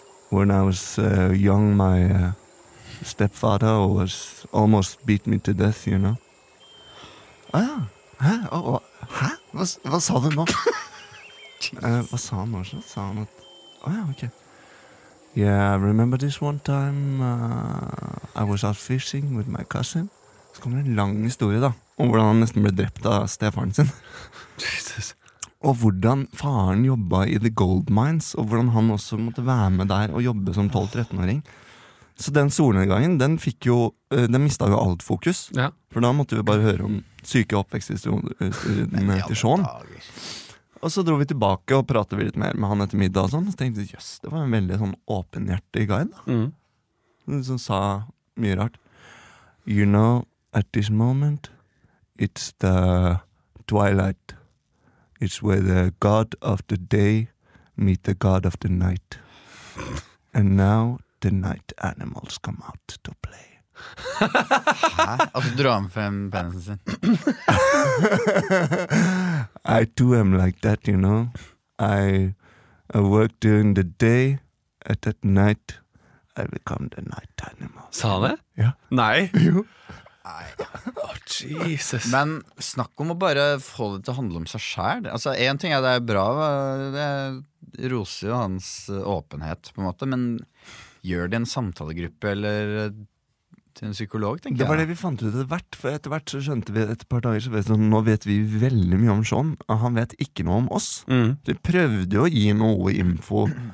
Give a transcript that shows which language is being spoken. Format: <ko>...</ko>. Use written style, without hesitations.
<en>When I was young, my stepfather was almost beat me to death, you know.</en> <no>Hva sa du nå? Hva sa han også? Sa han at...</no> <en>Yeah, I remember this one time I was out fishing with my cousin.</en> <no>Så kommer det en lang historie da, om hvordan han nesten ble drept av stefaren sin. Jesus. Og hvordan faren jobbet i The Gold Mines, og hvordan han også måtte være med der og jobbe som 12-13-åring. Så den solnedgangen, den mistet jo alt fokus. Ja. For da måtte vi bare høre om syke oppveksthistorien til Sean. Og så dro vi tilbake og pratet litt mer med han etter middag og sånn. Så tenkte vi, jøss, det var en veldig sånn åpenhjertig guide. Som sa mye rart.</no> <en>You know, at this moment, it's the twilight. It's where the god of the day meet the god of the night. And now the night animals come out to play.</en> <no>Hæ? Altså, drar han frem penisen sin.</no> <en>I too am like that, you know. I work during the day, and at night I become the night animal.</en> <no>Sa han det? Ja. Nei. Jo. Nei. Jesus. Men snakk om å bare få det til å handle om seg selv. Altså, en ting er det er bra, det roser jo hans åpenhet på en måte, men gjør det en samtalegruppe eller til en psykolog, tenker jeg. Det var det vi fant ut etter hvert, for etter hvert så skjønte vi et par dager, så vet du, nå vet vi veldig mye om Sean, og han vet ikke noe om oss. Vi prøvde jo å gi noe info</no>